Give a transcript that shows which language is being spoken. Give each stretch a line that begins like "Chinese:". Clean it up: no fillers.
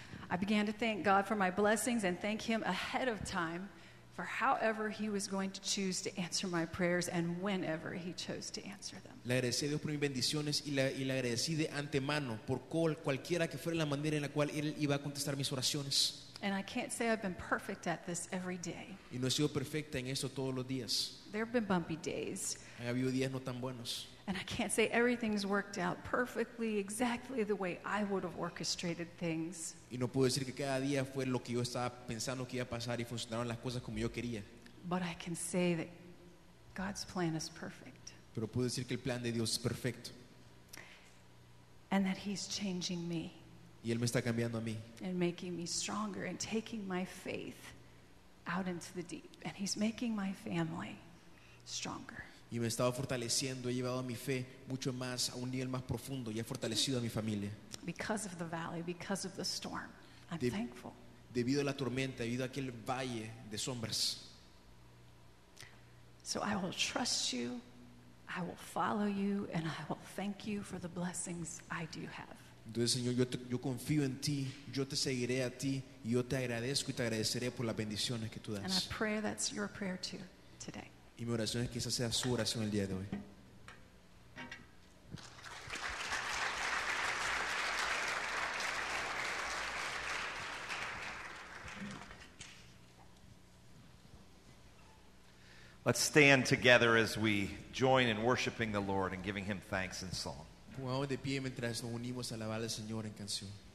English: I began to thank God for my blessings and thank Him ahead of time for however He was going to choose to answer my prayers and whenever He chose to answer them.
Spanish: Le agradecí a Dios por mis bendiciones y le agradecí de antemano por cualquiera que fuera la manera en la cual Él iba a contestar mis oraciones.
English: And I can't say I've been perfect at this every day.
Spanish: Y no he sido perfecta en esto todos los días.
English: There have been bumpy days.
Spanish: Han habido días no tan buenos.
English: And I can't say everything's worked out perfectly, exactly the way I would have orchestrated things.
Spanish: Y no puedo decir que cada día fue lo que yo estaba pensando que iba a pasar y funcionaron las cosas como yo quería.
English: But I can say that God's plan is perfect.
Spanish: Pero puedo decir que el plan de Dios es perfecto.
English: And that He's changing me.
Spanish: Y Él me está cambiando a mí.
English: And making me stronger and taking my faith out into the deep. And He's making my family stronger.
Spanish: Y me estaba fortaleciendo, he llevado a mi fe mucho más a un nivel más profundo y he fortalecido a mi familia.
English: Because of the valley, because of the storm, I'm thankful.
Spanish: Debido a la tormenta, debido a aquel valle de sombras.
English: So I will trust you, I will follow you, and I will thank you for the blessings I do have.
Spanish: Entonces, Señor, yo confío en ti, yo te seguiré a ti, y yo te agradezco y te agradeceré por las bendiciones que tú das.
English: And I pray that's your prayer too today.
Spanish: Y mi oración es que esa sea su oración el día de hoy.
English: Let's stand together as we join in worshiping the Lord and giving Him thanks in song.
Spanish: Pongamos de pie mientras nos unimos a alabar al Señor en canción.